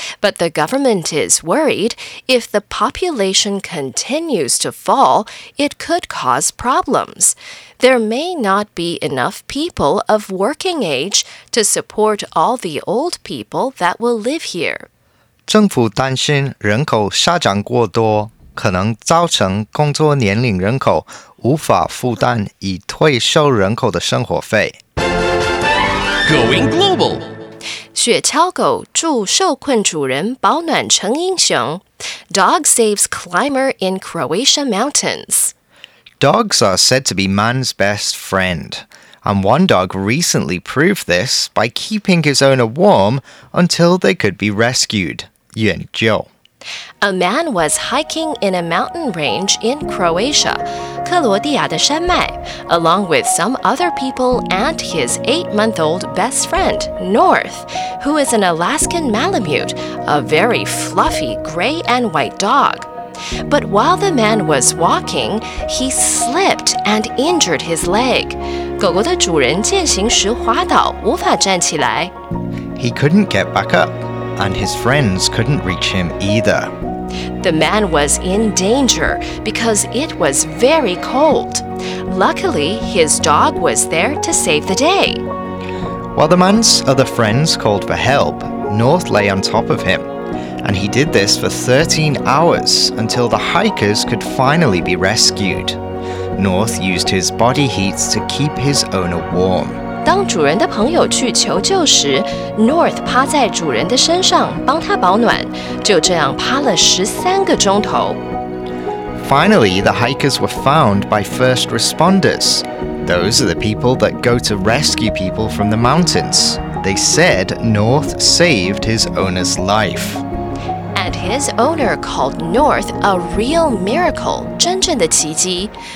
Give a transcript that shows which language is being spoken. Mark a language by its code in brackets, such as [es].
[en] But the government is worried if the population continues to fall, it could cause problems. There may not be enough people of working age to support all the old people that will live here. [zh] 政府担心人口下降过多可能造成工作年龄人口无法负担已退休人口的生活费。 [en] Going global. [zh] 雪橇狗助受困主人保暖成英雄。 [en] Dog saves climber in Croatia Mountains. Dogs are said to be man's best friend. And one dog recently proved this by keeping his owner warm until they could be rescued. [zh] 援救。 [en] A man was hiking in a mountain range in Croatia, [zh] 克罗地亚的山脉, [en] along with some other people and his 8-month-old best friend, North, who is an Alaskan malamute, a very fluffy gray and white dog. But while the man was walking, he slipped and injured his leg. [zh] 狗狗的主人健行时滑倒,无法站起来。 [en] He couldn't get back up. And his friends couldn't reach him either. The man was in danger because it was very cold. Luckily, his dog was there to save the day. While the man's other friends called for help, North lay on top of him. And he did this for 13 hours until the hikers could finally be rescued. North used his body heat to keep his owner warm. [zh] 当主人的朋友去求救时 ,North 趴在主人的身上帮他保暖,就这样趴了13个钟头。 [en] Finally, the hikers were found by first responders. Those are the people that go to rescue people from the mountains. They said North saved his owner's life. And his owner called North a real miracle, [zh] 真正的奇迹。